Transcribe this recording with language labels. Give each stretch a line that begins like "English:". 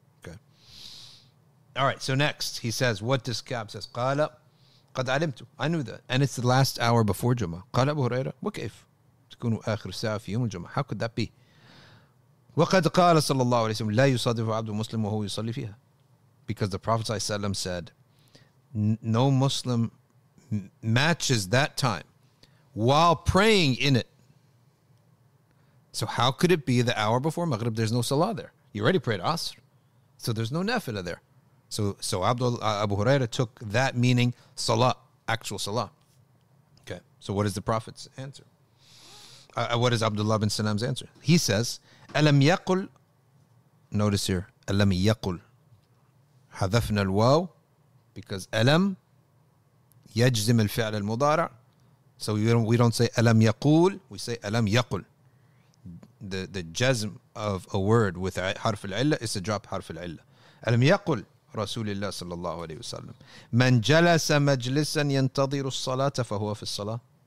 English: Okay. All right. So next, he says, "What does Ka'b says?" Qala,
Arabic: قد علمت.
English: I knew that. And it's the last hour before Jummah.
Arabic: قال أبو هريرة وكيف تكون آخر ساعة في يوم الجمعة.
English: How could that be?
Arabic: وقد قال صلى الله عليه وسلم لا يصادف عبد مسلم وهو يصلي فيها.
English: Because the Prophet ﷺ said no Muslim matches that time while praying in it. So how could it be the hour before Maghrib? There's no Salah there. You already prayed Asr. So there's no Nafila there. So Abu Huraira took that meaning Salah, actual Salah. Okay. So what is the Prophet's answer? What is Abdullah bin Salam's answer? He says,
Arabic: أَلَمْ يَقُلْ.
English: Notice here, أَلَمْ يَقُلْ.
Arabic: حَذَفْنَا الْوَاوْ.
English: Because
Arabic: أَلَمْ يَجْزِمْ الْفِعْلَ الْمُضَارَعْ.
English: So we don't say
Arabic: أَلَمْ يَقُلْ.
English: We say أَلَمْ يَقُلْ. The jazm of a word with harf al-illah is to drop harf al-illah.
Arabic: أَلَمْ يَقُلْ رَسُولِ صلى الله عليه وسلم مَنْ جَلَسَ مَجْلِسًا يَنْتَظِرُ الصَّلَاةَ فَهُوَ فِي الصَّلَاةِ.